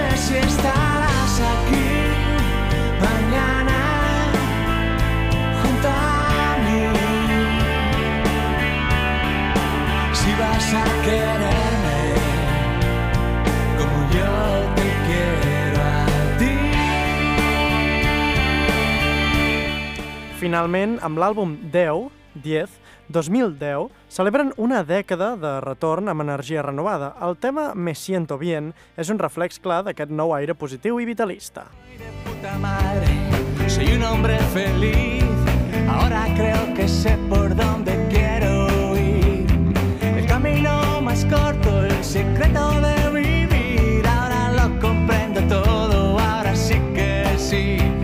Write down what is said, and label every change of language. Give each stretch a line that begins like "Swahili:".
Spanish: Si estarás aquí mañana junto a mí, si vas a quererme como yo te quiero a ti.
Catalan: Finalment, amb l'àlbum 10, 2010, celebren una dècada de retorn amb energia renovada. El tema Me siento bien és un reflex clar d'aquest nou aire positiu i vitalista.
Spanish: Puta madre, soy un hombre feliz. Ahora creo que sé por dónde quiero ir. El camino más corto, el secreto de vivir. Ahora lo comprendo todo, ahora sí que sí.